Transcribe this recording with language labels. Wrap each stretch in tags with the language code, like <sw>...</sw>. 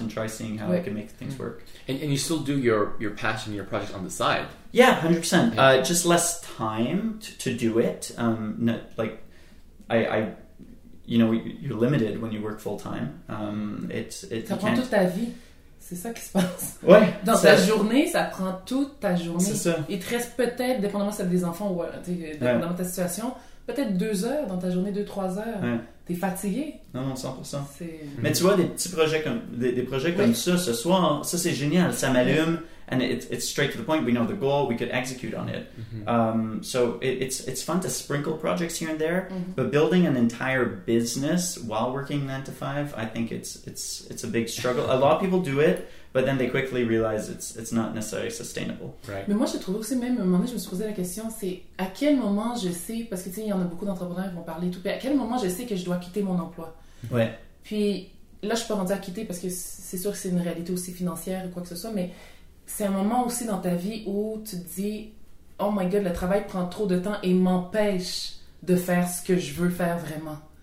<en>And try seeing how I can make things work. And you still do your passion, your project on the side. Yeah, 100%. Just less time to do it. You know, you're limited when you work full time.</en> <fr>Ça prend toute ta vie. C'est ça qui se passe. Ouais. Dans ta journée, ça prend toute ta journée. C'est ça. Il te reste peut-être, dépendamment si tu as des enfants ou dépendamment de ta situation, peut-être 2 heures dans ta journée, 2-3 heures. Ouais. T'es fatigué. Non, 100%. Mais tu vois, des petits projets comme ça ce soir, ça c'est génial. Ça m'allume.</fr> <en>And it's straight to the point. We know the goal. We could execute on it. So it's fun to sprinkle projects here and there. Mm-hmm. But building an entire business while working 9-to-5, I think it's a big struggle. A lot of people do it, but then they quickly realize it's not necessarily sustainable. Right.</en> <fr>Mais moi, je trouve aussi, même à un moment donné, je me suis posé la question, c'est à quel moment je sais, parce que tu sais, il y en a beaucoup d'entrepreneurs qui vont parler tout, puis à quel moment je sais que je dois quitter mon emploi? Ouais. Puis là, je suis pas rendue à quitter, parce que c'est sûr que c'est une réalité aussi financière ou quoi que ce soit, mais c'est un moment aussi dans ta vie où tu te dis,</fr> <en>oh my god,</en> <fr>le travail prend trop de temps et m'empêche de faire ce que je veux faire vraiment.</fr>